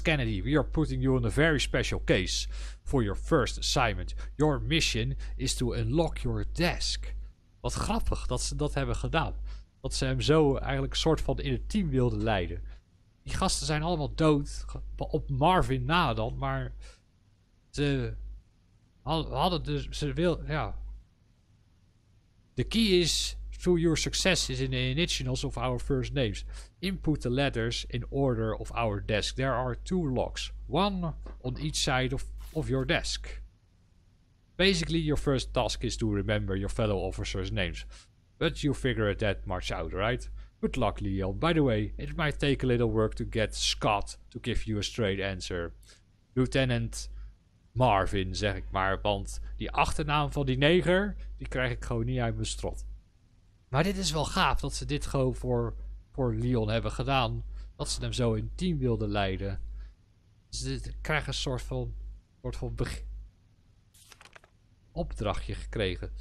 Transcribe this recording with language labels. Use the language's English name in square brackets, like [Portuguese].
[English] Kennedy, we are putting you in a very special case for your first assignment. Your mission is to unlock your desk. [Dutch] Wat grappig dat ze dat hebben gedaan. Dat ze hem zo eigenlijk een soort van in het team wilden leiden. Die gasten zijn allemaal dood. Op Marvin na dan, maar... Ze hadden dus... Ze wilden, ja... [English] The key is... Through your successes in the initials of our first names. Input the letters in order of our desk. There are two locks. One on each side of your desk. Basically, your first task is to remember your fellow officers' names. But you figure that much out, right? Good luck, Leon. By the way, it might take a little work to get Scott to give you a straight answer. [Dutch] Lieutenant Marvin, zeg ik maar. Want die achternaam van die neger, die krijg ik gewoon niet uit mijn strot. Maar dit is wel gaaf dat ze dit gewoon voor Leon hebben gedaan. Dat ze hem zo in team wilden leiden. Ze krijgen een soort van opdrachtje gekregen.